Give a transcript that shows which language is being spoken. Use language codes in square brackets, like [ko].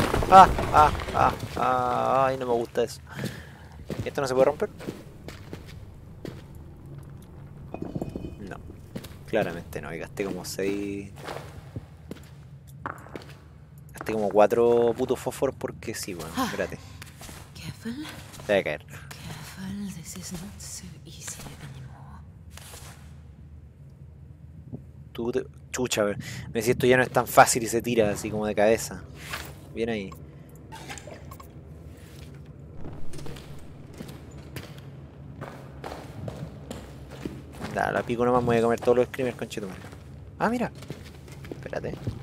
[es] ¡Ah! ¡Ah! ¡Ah! ¡Ah! ¡Ay, no me gusta eso! ¿Y esto no se puede romper? Claramente no, y gasté como 6. Gasté como 4 putos fósforos porque sí, bueno, espérate. [en] Careful. [es] Debe caer. [en] Careful, this is not so easy anymore. [es] Tú te... Chucha, a ver. Me decís, esto ya no es tan fácil y se tira así como de cabeza. Viene ahí. La pico nomás, me voy a comer todos los screamers, conchetumare. Ah, mira. Espérate.